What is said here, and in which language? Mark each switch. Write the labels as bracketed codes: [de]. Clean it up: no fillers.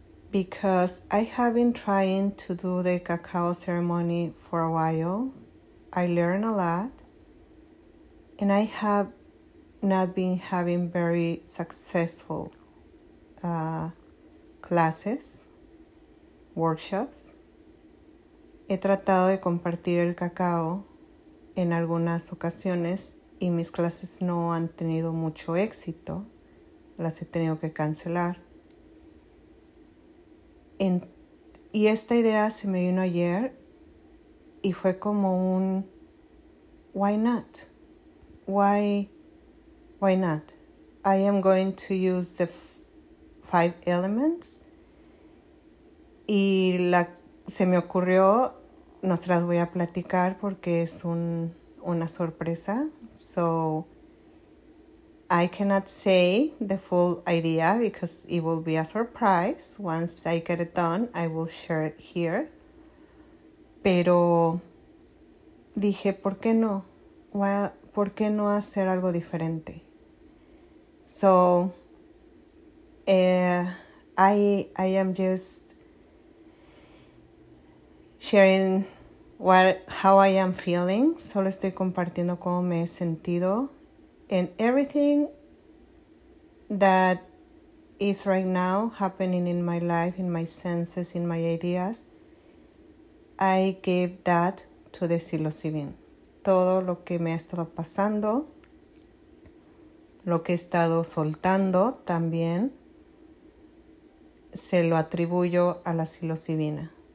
[en] Because I have been trying to do the cacao ceremony for a while. I learn a lot, and I have not been having very successful classes, workshops. [es] He tratado de compartir el cacao en algunas ocasiones y mis clases no han tenido mucho éxito. Las he tenido que cancelar. Y esta idea se me vino ayer y fue como un [en] why not? Why not? I am going to use the five elements. [es] Y se me ocurrió, no se las voy a platicar porque es una sorpresa. [en] So I cannot say the full idea because it will be a surprise. Once I get it done, I will share it here. [es] Pero dije, ¿por qué no? ¿Por qué no hacer algo diferente? [en] So, I am just sharing how I am feeling. [es] Solo estoy compartiendo cómo me he sentido. [en] And everything that is right now happening in my life, in my senses, in my ideas, I gave that to the psilocybin. [es] Todo lo que me ha estado pasando, lo que he estado soltando también, se lo atribuyo a la psilocibina.